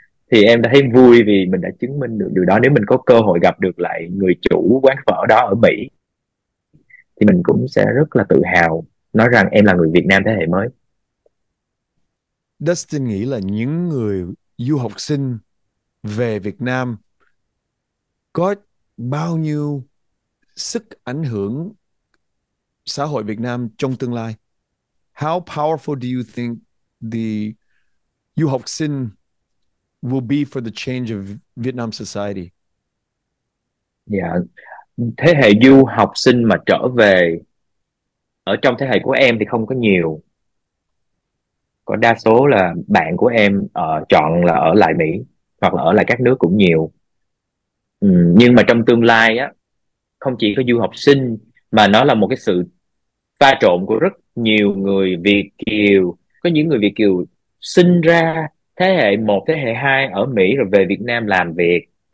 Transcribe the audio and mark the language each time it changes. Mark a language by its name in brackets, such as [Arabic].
[Vietnamese] Thì em đã thấy vui vì mình đã chứng minh được điều đó. Nếu mình có cơ hội gặp được lại người chủ quán phở đó ở Mỹ thì mình cũng sẽ rất là tự hào nói rằng em là người Việt Nam thế hệ mới. Dustin nghĩ là những người du học sinh về Việt Nam có bao nhiêu sức ảnh hưởng xã hội Việt Nam trong tương lai? [English] How powerful do you think the [Vietnamese] du học sinh [English] will be for the change of Vietnam society? [Vietnamese] Dạ. Thế hệ du học sinh mà trở về ở trong thế hệ của em thì không có nhiều, có đa số là bạn của em chọn là ở lại Mỹ hoặc là ở lại các nước cũng nhiều. Nhưng mà trong tương lai á, không chỉ có du học sinh mà nó là một cái sự pha trộn của rất nhiều người Việt kiều, có những người Việt kiều sinh ra thế hệ một, thế hệ hai ở Mỹ rồi về Việt Nam làm việc.